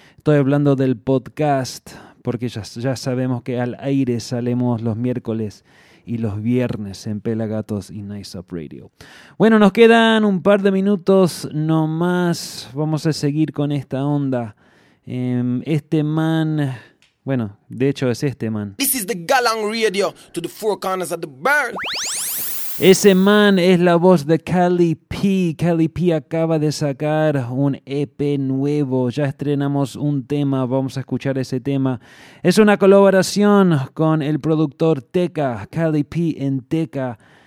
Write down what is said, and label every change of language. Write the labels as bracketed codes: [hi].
[es] Estoy hablando del podcast, porque ya sabemos que al aire salimos los miércoles y los viernes en Pelagatos y Nice Up Radio. Bueno, nos quedan un par de minutos nomás. Vamos a seguir con esta onda. Este man, bueno, de hecho es este man. [en] This is the Galang Radio to the four corners of the world. [es] Ese man es la voz de Cali P. Cali P acaba de sacar un EP nuevo. Ya estrenamos un tema, vamos a escuchar ese tema. Es una colaboración con el productor Teca, Cali P en Teca.